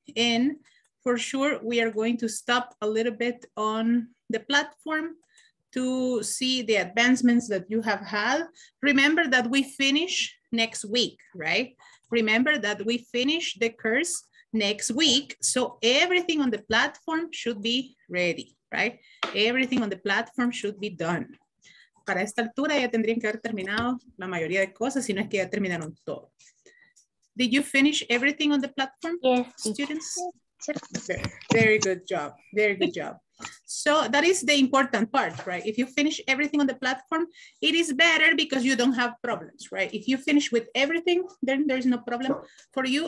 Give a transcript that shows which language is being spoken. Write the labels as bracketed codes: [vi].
[en] And for sure, we are going to stop a little bit on the platform to see the advancements that you have had. Remember that we finish next week, right? Remember that we finish the course next week. So everything on the platform should be ready, right? Everything on the platform should be done. [es] Para esta altura ya tendrían que haber terminado la mayoría de cosas, si no es que ya terminaron todo. [en] Did you finish everything on the platform, students? Very good job, very good job. So that is the important part, right? If you finish everything on the platform, it is better because you don't have problems, right? If you finish with everything, then there's no problem for you.